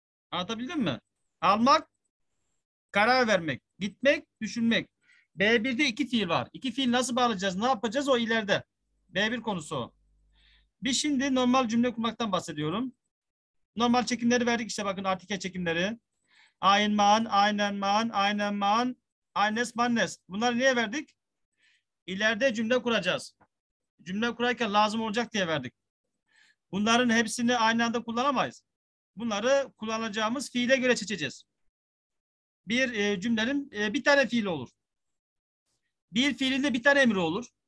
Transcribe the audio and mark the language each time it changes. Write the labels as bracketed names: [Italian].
[Turkish] Anlatabildim mi? Almak, karar vermek. Gitmek, düşünmek. B1'de iki fiil var. İki fiil nasıl bağlayacağız, ne yapacağız o ileride. B1 konusu o. Bir şimdi normal cümle kurmaktan bahsediyorum. Normal çekimleri verdik işte bakın artikel çekimleri. [German] Ein Mann, einen Mann, einen Mann, eines Mannes. [Turkish] Bunları niye verdik? İleride cümle kuracağız. Cümle kurarken lazım olacak diye verdik. Bunların hepsini aynı anda kullanamayız. Bunları kullanacağımız fiile göre seçeceğiz. Bir cümlenin bir tane fiili olur. Bir fiilin de bir tane emri olur.